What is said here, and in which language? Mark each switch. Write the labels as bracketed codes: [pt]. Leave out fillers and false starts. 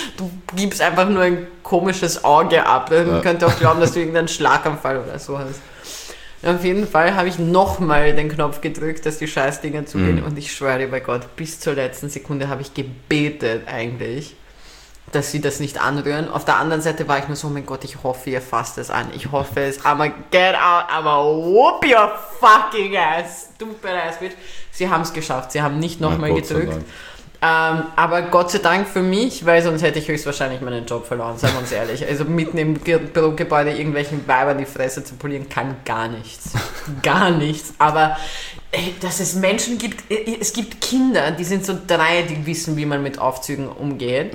[de] Du gibst einfach nur ein komisches Auge ab. Man könnte auch glauben, dass du irgendeinen Schlaganfall oder so hast. Und auf jeden Fall habe ich nochmal den Knopf gedrückt, dass die Scheißdinger zugehen. Und ich schwöre dir bei Gott, bis zur letzten Sekunde habe ich gebetet eigentlich, dass sie das nicht anrühren. Auf der anderen Seite war ich nur so, mein Gott, ich hoffe, ihr fasst es an. Ich hoffe es. [en] I'ma get out. I'ma whoop your fucking ass. Stupid ass bitch. [de] Sie haben es geschafft. Sie haben nicht nochmal gedrückt. Aber Gott sei Dank für mich, weil sonst hätte ich höchstwahrscheinlich meinen Job verloren. Seien wir uns ehrlich. Also mitten im Bürogebäude irgendwelchen Weibern die Fresse zu polieren, kann gar nichts. Gar nichts. Aber dass es Menschen gibt, es gibt Kinder, die sind so 3, die wissen, wie man mit Aufzügen umgeht.